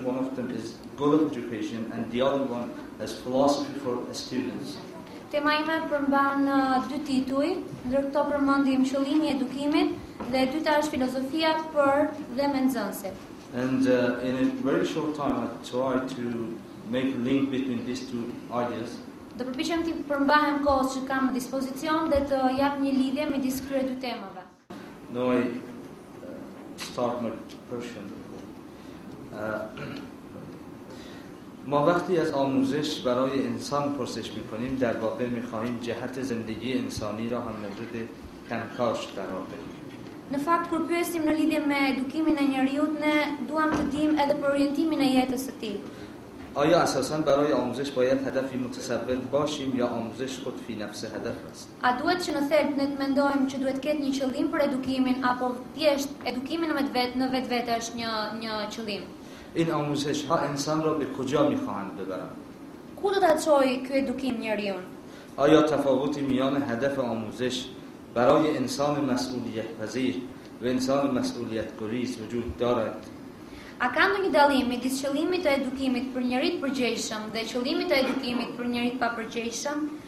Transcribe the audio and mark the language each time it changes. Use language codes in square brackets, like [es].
[en] One of them is Global Education and the other one is Philosophy for Students. [sq] Tema ime përmban dy tituj, ndër këto përmendim qëllimin e edukimit dhe e dyta është filozofia për dhe me nxënësit. [en] And in a very short time I try to make a link between these two ideas. [sq] Do përpiqem të përmbahem kohës që kam në dispozicion dhe të jap një lidhje midis këtyre dy temave. [en] No, I start my question. [fa] ما وقتی از آموزش برای انسان پرسش میکنیم در واقع میخواهیم جهت زندگی انسانی را هم مورد کنکاش قرار بدیم. [sq] Në fakt kur pyesim në lidhje me edukimin e njerëzit ne duam të dim edhe për orientimin e jetës së tij. [fa] آیا اساسا برای آموزش باید هدفی متصور باشیم یا آموزش خود فی نفس هدف است؟ [sq] A duhet që në thelb ne të mendojmë që duhet të ketë një qëllim për edukimin apo thjesht edukimi në vetvete është një qëllim? [fa] این آموزش ها انسان را به کجا می خواهند ببرند؟ [sq] کو دو تا چوی که ادوکیم نیاریون؟ [fa] آیا تفاوتی میان هدف آموزش برای انسان مسئولیت پذیر و انسان مسئولیت گریز وجود دارد؟ [sq] A ka ndonjë dallim midis qëllimit të edukimit për njerëzit të përgjegjshëm dhe qëllimit të edukimit për njerëzit të papërgjegjshëm?